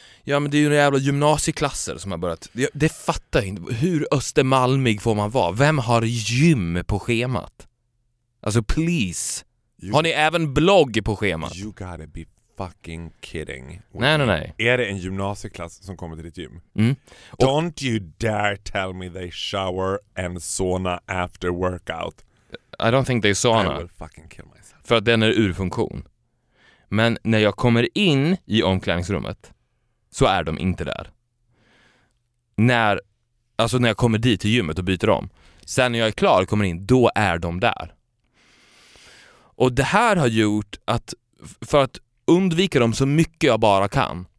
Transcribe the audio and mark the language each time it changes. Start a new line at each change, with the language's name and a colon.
Swedish: Ja, men det är ju några jävla gymnasieklasser som har börjat. Det fattar jag inte. Hur östermalmig får man vara? Vem har gym på schemat? Alltså, please. Har ni även blogg på schemat?
English: You gotta be fucking kidding.
Swedish: Nej, nej, nej. Är det en gymnasieklass som kommer till ditt gym? Mm.
English: Don't you dare tell me they shower and sauna after workout. I don't think they sauna. I will fucking kill myself.
Swedish: För att den är ur funktion. Men när jag kommer in i omklädningsrummet så är de inte där. Alltså när jag kommer dit till gymmet och byter om. Sen när jag är klar och kommer in, då är de där. Och det här har gjort att, för att undvika dem så mycket jag bara kan.